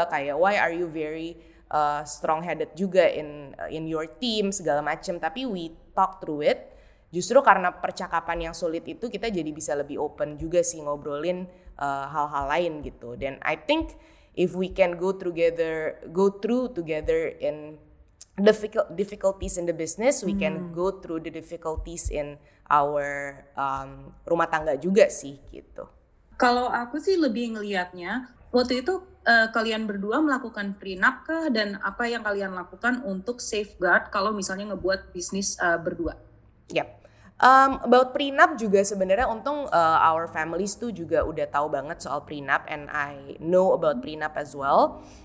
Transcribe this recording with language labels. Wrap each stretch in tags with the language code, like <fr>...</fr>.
<id>Kayak</id> <en>why are you very strong-headed</en> <id>juga</id> <en>in your team</en> <id>segala macem. Tapi</id> <en>we talk through it.</en> <id>justru karena percakapan yang sulit itu kita jadi bisa lebih open juga sih ngobrolin hal-hal lain gitu. Dan</id> <en>I think if we can go through together in difficulties in the business, we can go through the difficulties in our</en> <id>rumah tangga juga sih gitu. Kalau aku sih lebih ngelihatnya waktu itu kalian berdua melakukan prenup kah, dan apa yang kalian lakukan untuk</id> <en>safeguard</en> <id>kalau misalnya ngebuat bisnis berdua?</id> <en>Yep. About prenup</en> <id>juga sebenarnya untung</id> <en>our families</en> <id>tuh juga udah tahu banget soal prenup,</id> <en>and I know about prenup as well.</en>